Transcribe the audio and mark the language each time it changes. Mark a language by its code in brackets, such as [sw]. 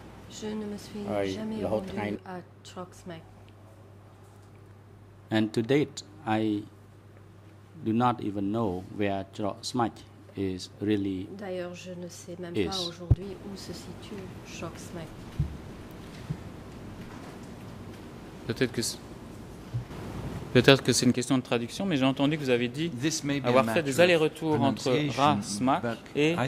[fr] Je ne me suis jamais rendu à Chuk-Sdek. [en] And to date, I do not even know where Chuk-Sdek is really. [fr] D'ailleurs, je ne sais même pas aujourd'hui où se situe Chuk-Sdek. Peut-être que c'est une question de traduction, mais j'ai entendu que vous avez dit avoir fait des allers-retours entre Ras Mak et